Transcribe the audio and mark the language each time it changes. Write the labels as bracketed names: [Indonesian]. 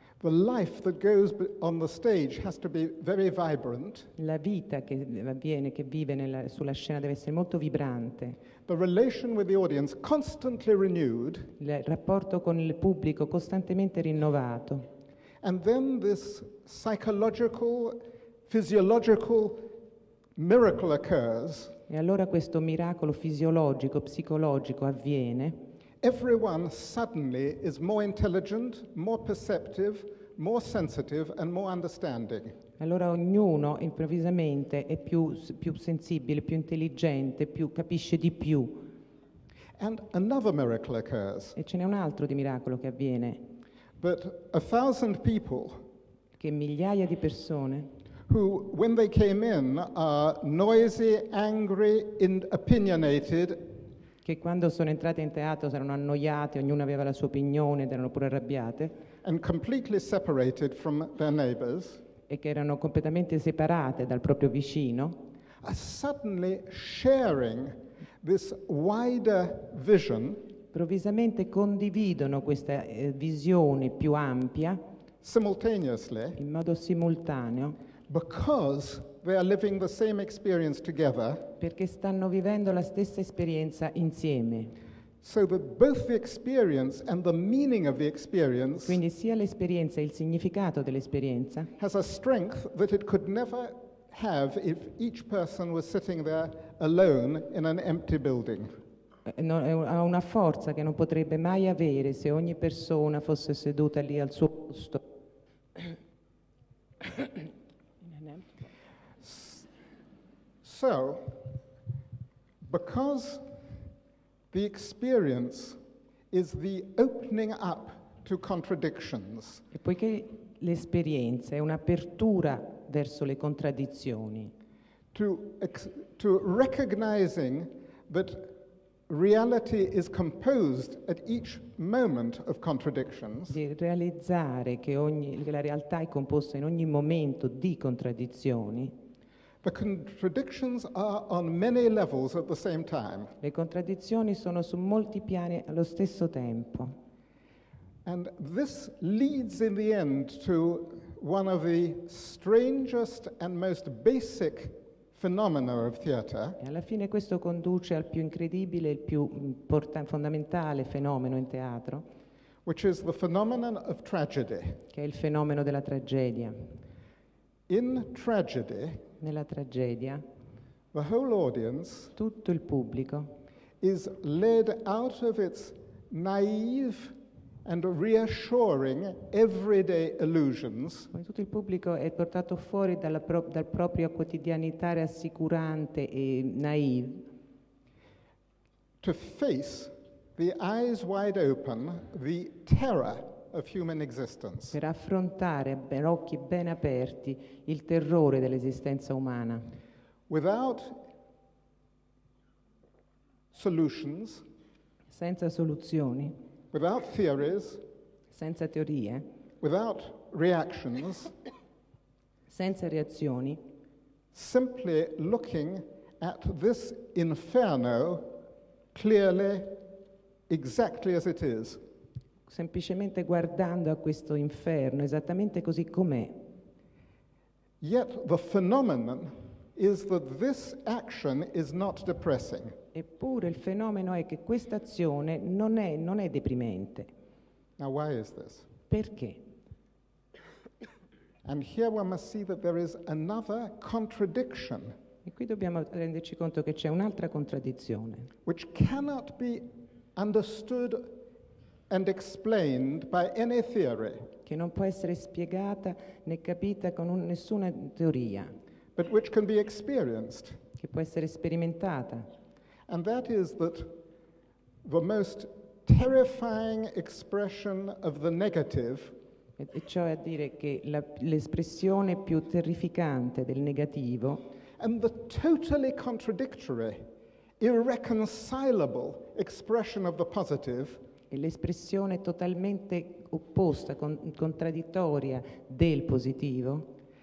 [English] The life that goes on the stage has to be very vibrant. [Italian] La vita che avviene, che vive sulla scena deve essere molto vibrante. [English] The relation with the audience constantly renewed. [Italian] Il rapporto con il pubblico costantemente rinnovato. [English] And then this psychological, physiological miracle occurs. [Italian] E allora questo miracolo fisiologico, psicologico avviene. [English] Everyone suddenly is more intelligent, more perceptive, more sensitive, and more understanding. [Italian] Allora ognuno improvvisamente è più sensibile, più intelligente, più capisce di più. [English] And another miracle occurs. [Italian] E ce n'è un altro di miracolo che avviene. [English] But 1,000 people, [Italian] che migliaia di persone, [English] who when they came in are noisy, angry, and opinionated, [Italian] che quando sono entrate in teatro erano annoiate, ognuno aveva la sua opinione ed erano pure arrabbiate, [English] and completely separated from their neighbors, [Italian] e che erano completamente separate dal proprio vicino, [English] are suddenly sharing this wider vision. [Italian] Improvvisamente condividono questa visione più ampia [English] simultaneously, [Italian] in modo simultaneo, [English] because they are living the same experience together, [Italian] perché stanno vivendo la stessa esperienza insieme. [English] So that both the experience and the meaning of the experience, [Italian] quindi sia l'esperienza e il significato dell'esperienza, [English] has a strength that it could never have if each person was sitting there alone in an empty building. [Italian] Ha una forza che non potrebbe mai avere se ogni persona fosse seduta lì al suo posto. [English] So, because the experience is the opening up to contradictions, [Italian] e poiché l'esperienza è un'apertura verso le contraddizioni, [English] to recognizing that reality is composed at each moment of contradictions, [Italian] di realizzare che la realtà è composta in ogni momento di contraddizioni. [English] The contradictions are on many levels at the same time. [Italian] Le contraddizioni sono su molti piani allo stesso tempo. [English] And this leads in the end to one of the strangest and most basic phenomena of theater. [Italian] E alla fine questo conduce al più incredibile, il più fondamentale fenomeno in teatro, [English] which is the phenomenon of tragedy. [Italian] Che è il fenomeno della tragedia. [English] In tragedy, [Italian] nella tragedia, [English] the whole audience, [Italian] tutto il pubblico, [English] is led out of its naive and reassuring everyday illusions. [Italian] Tutto il pubblico è portato fuori dalla dal proprio quotidianità rassicurante e naive. [English] To face the eyes wide open, the terror of human existence. [Italian] Per affrontare per occhi ben aperti il terrore dell'esistenza umana. [English] Without solutions. [Italian] Senza soluzioni. [English] Without theories. [Italian] Senza teorie. [English] Without reactions. [Italian] Senza reazioni. [English] Simply looking at this inferno clearly, exactly as it is. [Italian] Semplicemente guardando a questo inferno esattamente così com'è. [English] Yet the phenomenon is that this action is not depressing. [Italian] Eppure il fenomeno è che questa azione non è deprimente. [English] Now why is this? [Italian] Perché? [English] And here we must see that there is another contradiction. [Italian] E qui dobbiamo renderci conto che c'è un'altra contraddizione. [English] Which cannot be understood and explained by any theory. [Italian] Che non può essere spiegata né capita con nessuna teoria. [English] But which can be experienced. [Italian] Che può essere sperimentata. [English] And that is that the most terrifying expression of the negative. [Italian] E cioè a dire che l'espressione più terrificante del negativo. [English] And the totally contradictory, irreconcilable expression of the positive. [Italian] E l'espressione totalmente opposta, contraddittoria del positivo.